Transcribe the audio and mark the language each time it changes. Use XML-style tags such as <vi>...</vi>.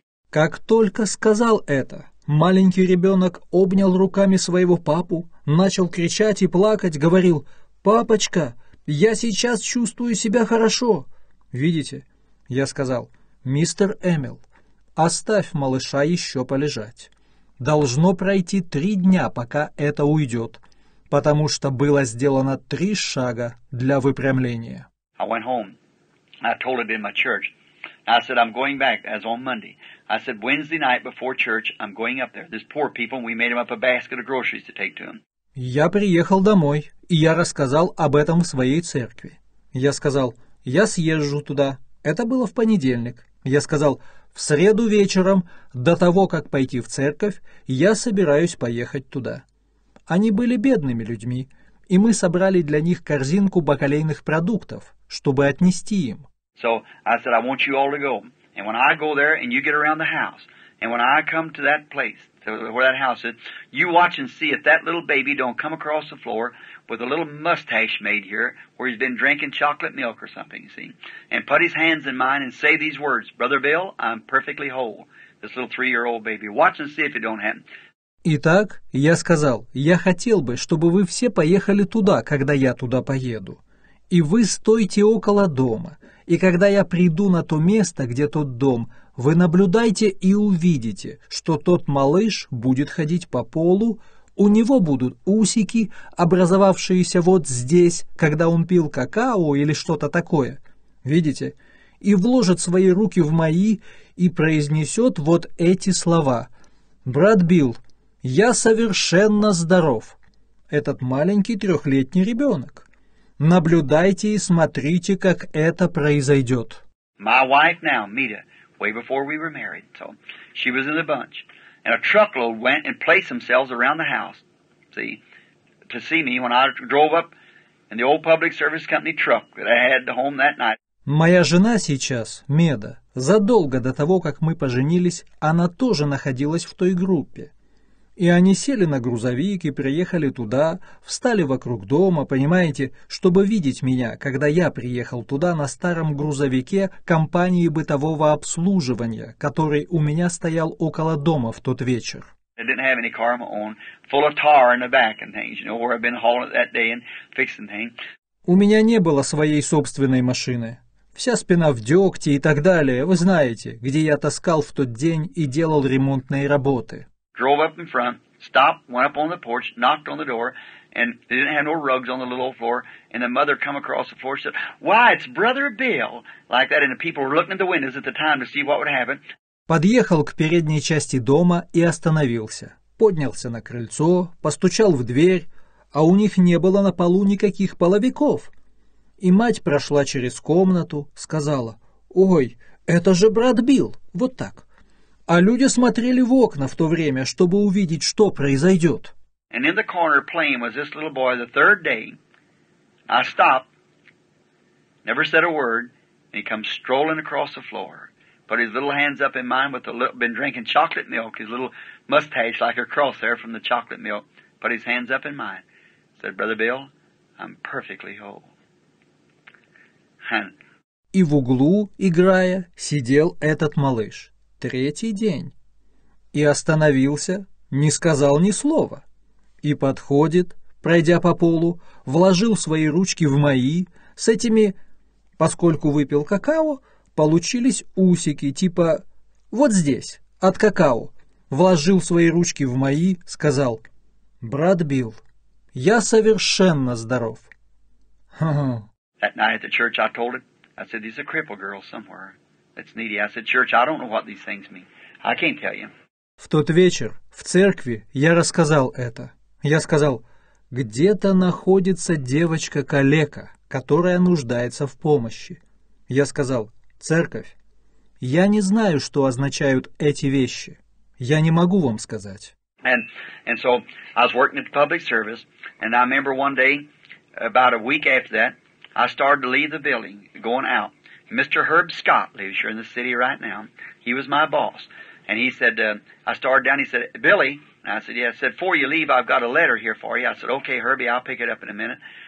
<ru>Как только сказал это, маленький ребенок обнял руками своего папу, начал кричать и плакать, говорил, «Папочка, я сейчас чувствую себя хорошо». «Видите?» — я сказал, «Мистер Эмил, оставь малыша еще полежать. Должно пройти 3 дня, пока это уйдет, потому что было сделано 3 шага для выпрямления».</ru> <en>I went home. I told it in my church. I said, I'm going back, as on Monday. I said, Wednesday night before church, I'm going up there. There's poor people, and we made them up a basket of groceries to take to them.</en> <ru>Я приехал домой, и я рассказал об этом в своей церкви. Я сказал, я съезжу туда. Это было в понедельник. Я сказал, в среду вечером, до того, как пойти в церковь, я собираюсь поехать туда. Они были бедными людьми, и мы собрали для них корзинку бакалейных продуктов, чтобы отнести им.</ru> <en>So I said, I want you all to go. And when I go there and you get around the house, and when I come to that place, to where that house is, you watch and see if that little baby don't come across the floor with a little mustache made here where he's been drinking chocolate milk or something, you see, and put his hands in mine and say these words, Brother Bill, I'm perfectly whole. This little 3-year-old baby. Watch and see if it don't happen.</en> <ru>Итак, я сказал, я хотел бы, чтобы вы все поехали туда, когда я туда поеду. И вы стойте около дома. И когда я приду на то место, где тот дом, вы наблюдайте и увидите, что тот малыш будет ходить по полу, у него будут усики, образовавшиеся вот здесь, когда он пил какао или что-то такое. Видите? И вложит свои руки в мои и произнесет вот эти слова. «Брат Билл, я совершенно здоров». Этот маленький 3-летний ребенок. Наблюдайте и смотрите, как это произойдет.</ru> <en>My wife now, Mita, way before we were married, so she was in the bunch, and a truckload went and placed themselves around the house, see, to see me when I drove up in the old public service company truck that I had home that night.</en> <ru>Моя жена сейчас, Меда, задолго до того, как мы поженились, она тоже находилась в той группе. И они сели на грузовик и приехали туда, встали вокруг дома, понимаете, чтобы видеть меня, когда я приехал туда на старом грузовике компании бытового обслуживания, который у меня стоял около дома в тот вечер.</ru> <en>I didn't have any car of my own, full of tar in the back and things, you know, where I've been hauling that day and fixing things.</en> <ru>У меня не было своей собственной машины. Вся спина в дегте и так далее, вы знаете, где я таскал в тот день и делал ремонтные работы.</ru> <en>Drove up in front, stopped, went up on the porch, knocked on the door, and they didn't have no rugs on the little old floor, and the mother come across the floor and said, Why, it's Brother Bill, like that, and the people were looking at the windows at the time to see what would happen.</en> <ru>Подъехал к передней части дома и остановился. Поднялся на крыльцо, постучал в дверь, а у них не было на полу никаких половиков. И мать прошла через комнату, сказала, Ой, это же брат Билл, вот так. А люди смотрели в окна в то время, чтобы увидеть, что произойдет.</ru> <en>And in the corner playing was this little boy the third day. I stopped, never said a word, and he comes strolling across the floor, put his little hands up in mine with a little, been drinking chocolate milk, his little mustache like a cross there from the chocolate milk, put his hands up in mine, said, Brother Bill, I'm perfectly whole. And...</en> <ru>И в углу, играя, сидел этот малыш. Третий день. И остановился, не сказал ни слова. И подходит, пройдя по полу, вложил свои ручки в мои, с этими, поскольку выпил какао, получились усики, типа «вот здесь, от какао». Вложил свои ручки в мои, сказал «брат Билл, я совершенно здоров».</ru> <en>That night at the church I told it, I said, there's a crippled girl somewhere. It's needy. I said, Church, I don't know what these things mean. I can't tell you.</en> <ru>В тот вечер в церкви я рассказал это. Я сказал, где-то находится девочка-калека, которая нуждается в помощи. Я сказал, церковь, я не знаю, что означают эти вещи. Я не могу вам сказать.</ru> <en>And so I was working at the public service, and I remember one day, about a week after that, I started to leave the building, going out. Mr. Herb Scott lives here in the city right now. He was my boss. And he said, I started down, he said, Billy. And I said, yeah. I said, before you leave, I've got a letter here for you. I said, okay, Herbie, I'll pick it up in a minute.</en>